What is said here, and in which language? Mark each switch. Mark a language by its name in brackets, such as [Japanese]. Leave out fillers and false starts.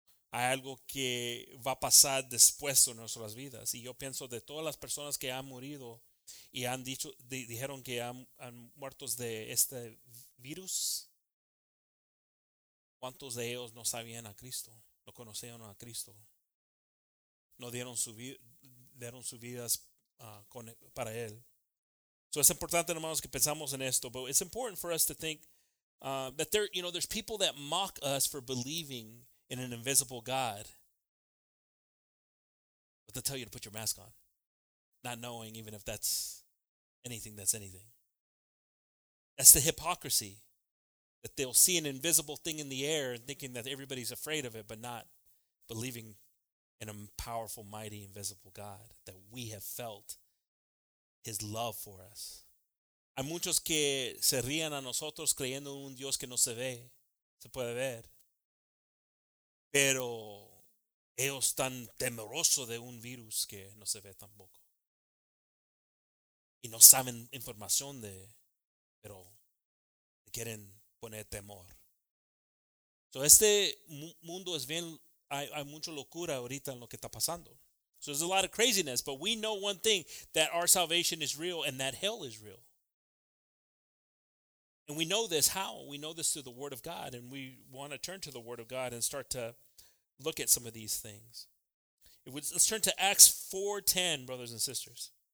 [Spanish] Hay algo que va a pasar después de nuestras vidas. Y yo pienso de todas las personas que han morido y han dicho, dijeron que han muerto de este virus, ¿cuántos de ellos no sabían a Cristo? No conocían a Cristo. No dieron su vida, dieron sus vidas para él. So es importante, hermanos, que pensamos en esto. [English] But it's important for us to think that there, you know, there's people that mock us for believing in an invisible God. But they'll tell you to put your mask on. Not knowing even if that's anything, that's anything. That's the hypocrisy. That they'll see an invisible thing in the air and thinking that everybody's afraid of it, but not believing in a powerful, mighty, invisible God, that we have felt his love for us. [Spanish] Hay muchos que se ríen a nosotros creyendo en un Dios que no se ve, se puede ver. Pero ellos están temerosos de un virus que no se ve tampoco. Y no saben información de, pero quieren poner temor. So este mundo es bien, hay mucha locura ahorita en lo que está pasando. [English] So there's a lot of craziness, but we know one thing, that our salvation is real and that hell is real. And we know this how? We know this through the Word of God, and we want to turn to the Word of God and start to look at some of these things. Let's turn to Acts 4:10, brothers and sisters.